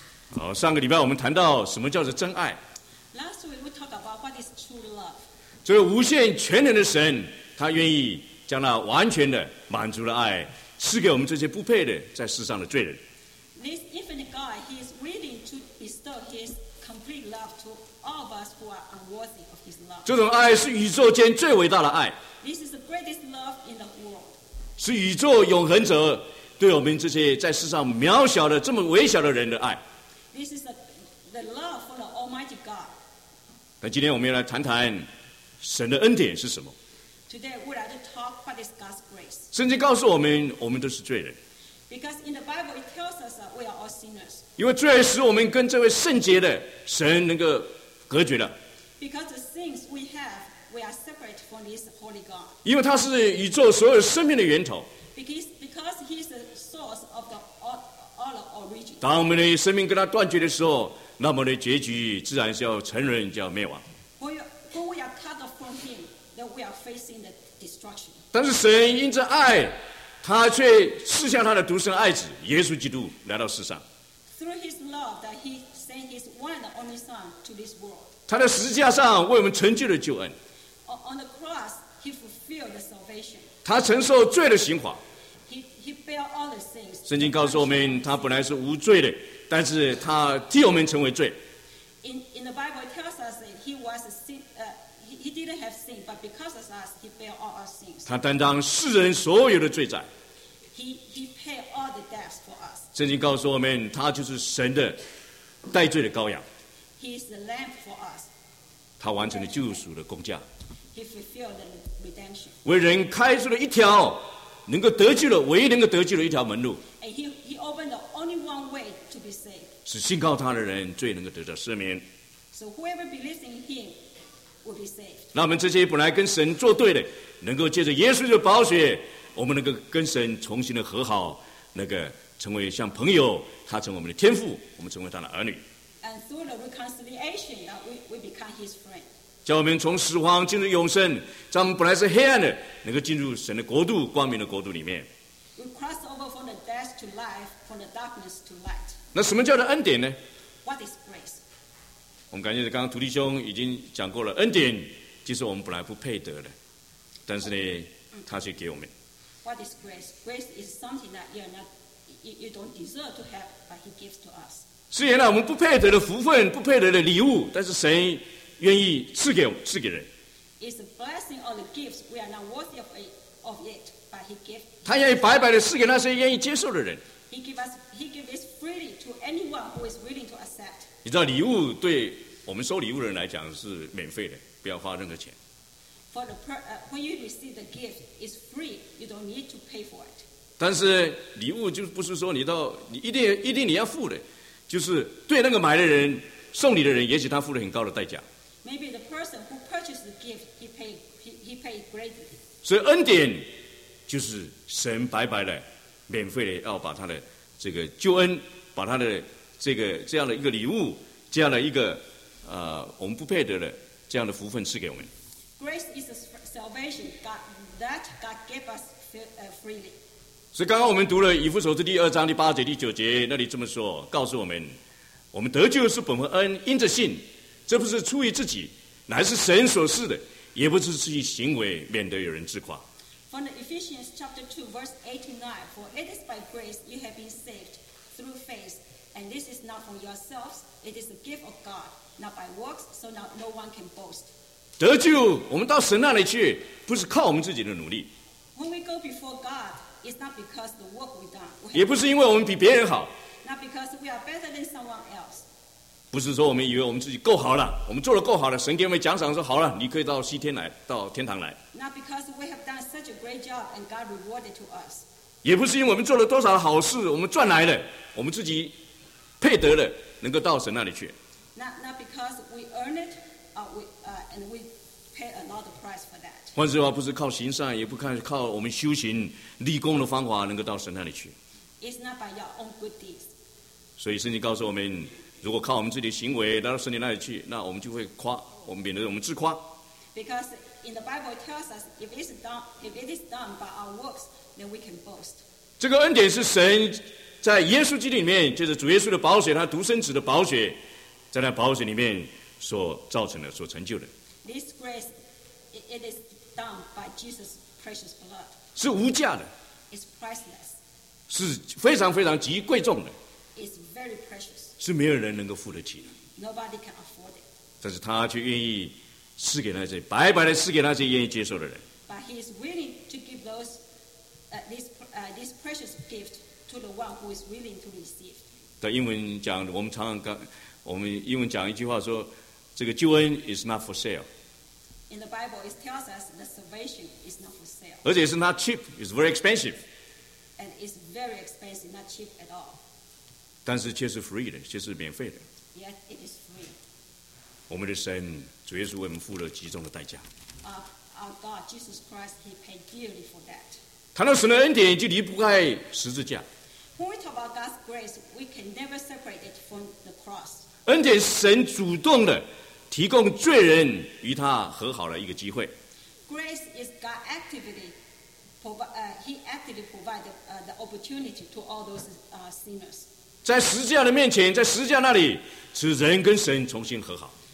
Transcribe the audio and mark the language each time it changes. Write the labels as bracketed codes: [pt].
[zh] 好，上个礼拜我们谈到什么叫做真爱。 [en] Last week we talked about what is true love. [zh] 这个无限全能的神，他愿意将那完全的满足的爱赐给我们这些不配的在世上的罪人。 [en] This infinite God, he is willing to bestow his complete love to all of us who are unworthy of his love. [zh] 这种爱是宇宙间最伟大的爱。 [en] This is the greatest love in the world. [zh] 是宇宙永恒者对我们这些在世上渺小的这么微小的人的爱。 [en] This is the love for the Almighty God. [zh] 那今天我们要来谈谈神的恩典是什么。 [en] Today we are to talk about God's grace. [zh] 圣经告诉我们，我们都是罪人。 [en] Because in the Bible it tells us that we are all sinners. [zh] 因为罪使我们跟这位圣洁的神能够隔绝了。 [en] Because the things we have, we are separate from this holy God. [zh] 因为他是宇宙所有生命的源头。 [en] Because he is the source of the all. [zh] 当我们的生命跟他断绝的时候，那么的结局自然是要沉沦，就要灭亡。 [en] When we are cut off from him, then we are facing the destruction. [zh] 但是神因着爱，他却赐下他的独生爱子耶稣基督来到世上。 [en] Through his love, that he sent his one and only son to this world. [zh] 他在十字架上为我们成就了救恩。 [en] On the cross, he fulfilled the salvation. [zh] 他承受罪的刑罚。 [en] He bear all the things. [zh] 圣经告诉我们，他本来是无罪的，但是他替我们成为罪。 [en] In the Bible it tells us that he was a sin, he didn't have sin, but because of us, he bear all our sins. [zh] 他担当世人所有的罪债。 [en] He paid all the debts for us. [zh] 圣经告诉我们，他就是神的代罪的羔羊。 [en] He is the lamb for us. [zh] 他完成了救赎的工价。 [en] He fulfilled the redemption. [zh] 为人开出了一条。能够得救的唯一能够得救的一条门路 [en] he opened the only one way to be saved. [zh] 是信靠他的人最能够得到赦免 [en] so whoever believes in him will be saved. [zh] 让我们这些本来跟神作对的能够借着耶稣的宝血我们能够跟神重新的和好，那个成为像朋友，他成为我们的天父，我们成为他的儿女。 [en] And through the reconciliation, we become His friend. [zh] 叫我们从死亡进入永生，咱们本来是黑暗的，能够进入神的国度，光明的国度里面。 [en] We cross over from the death to life, from the darkness to light. [zh] 那什么叫做恩典呢 [en] ？What is grace? [zh] 我们感谢刚刚徒弟兄已经讲过了，恩典就是我们本来不配得的，但是呢， okay. 他却给我们。 [en] What is grace? Grace is something that you're not. You don't deserve to have, but He gives to us. [zh] 虽然呢，我们不配得的福分，不配得的礼物，但是神愿意赐给人。 [en] It's a blessing or the gifts we are not worthy of it, but He gives. [zh] 他愿意白白的赐给那些愿意接受的人。 [en] He gives freely to anyone who is willing to accept. [zh] 你知道礼物对我们收礼物的人来讲是免费的，不要花任何钱。 [en] When you receive the gift, it's free. You don't need to pay for it. [zh] 但是礼物就不是说你一定你要付的，就是对那个买的人送你的人，也许他付了很高的代价。 [en] Maybe the person who purchased the gift, he paid greatly. [zh] 所以恩典就是神白白的、免费的要把他的这个救恩，把他的这个这样的一个礼物，这样的一个我们不配得的这样的福分赐给我们。 [en] Grace is a salvation that God gave us freely. [zh] 所以刚刚我们读了以弗所书第二章第八节第九节，那里这么说，告诉我们，我们得救是本乎恩，因着信，这不是出于自己，乃是神所赐的，也不是出于行为，免得有人自夸。 [en] From the Ephesians chapter 2 verse 8-9, for it is by grace you have been saved through faith, and this is not for yourselves, it is the gift of God, not by works, so that no one can boast. [zh] 得救，我们到神那里去，不是靠我们自己的努力。 [en] When we go before God,It's not because the work we've done. [zh] 也不是因为我们比别人好。 [en] Not because we are better than someone else. [zh] 不是说我们以为我们自己够好了，我们做得够好了，神给我们奖赏说好了，你可以到西天来，到天堂来。 [en] Not because we have done such a great job and God rewarded to us. [zh] 也不是因为我们做了多少好事，我们赚来的，我们自己配得的，能够到神那里去。 [en] Not because we earn it, and we pay a lot of price for that. [zh] 换句话，不是靠行善，也不靠我们修行立功的方法能够到神那里去。 [en] It's not by your own good deeds. [zh] 所以圣经告诉我们，如果靠我们自己的行为来到神那里去，那我们就会夸，我们免得我们自夸。 [en] Because in the Bible it tells us, if it is done by our works, then we can boast. [zh] 这个恩典是神在耶稣基督里面，就是主耶稣的宝血，他独生子的宝血，在那宝血里面所造成的、所成就的。 [en] This grace, it is. Done by Jesus' precious blood. [zh] 是无价的。 [en] It's priceless. [zh] 是非常非常极贵重的。 [en] It's very precious. [zh] 是没有人能够付得起的。 [en] Nobody can afford it. [zh] 但是他却愿意赐给那些白白的赐给那些愿意接受的人。 [en] But he is willing to give those this precious gift to the one who is willing to receive. [zh] 在英文讲，我们常常讲，我们英文讲一句话说，这个救恩 [en] is not for sale. In the Bible, it tells us the salvation is not for sale. [zh] 而且是 [en] not cheap, it's very expensive. And it's very expensive, not cheap at all. [zh] 但是却是 free 的，却是免费的。 [en] Yet it is free. [zh] 我们的神，主耶稣为我们付了极重的代价。 [en] Our God, Jesus Christ, He paid dearly for that. [zh] 谈到神的恩典，就离不开十字架。 [en] When we talk about God's grace, we can never separate it from the cross. [zh] 恩典是神主动的。提供罪人与他和好的一个机会。 [en] Grace is God actively provided the opportunity to all those sinners. [zh] 在十字架的面前，在十字架那里，使人跟神重新和好。